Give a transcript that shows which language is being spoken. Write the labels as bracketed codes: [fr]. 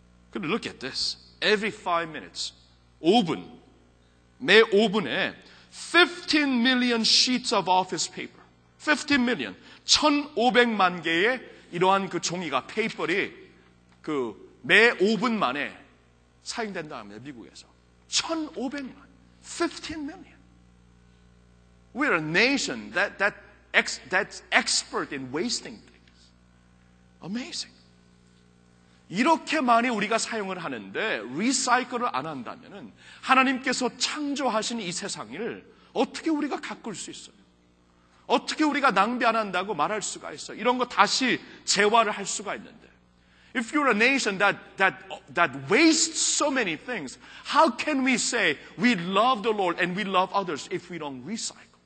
[ko] 근데 [en] look at this. Every 5 minutes, [ko] 5분, 매 5분에 [en] 15 million sheets of office paper. 15 million, [ko] 1,500만 개의 이러한 그 종이가, 페이퍼리 그 매 5분 만에 사용된다고 합니다, 미국에서. 1,500만. [en] 15 million. We're a nation that's expert in wasting things. Amazing. [ko] 이렇게 많이 우리가 사용을 하는데 리사이클을 안 한다면은 하나님께서 창조하신 이 세상을 어떻게 우리가 가꿀 수 있어요? 어떻게 우리가 낭비 안 한다고 말할 수가 있어? 이런 거 다시 재활을 할 수가 있는데. [en] If you're a nation that wastes so many things, how can we say we love the Lord and we love others if we don't recycle?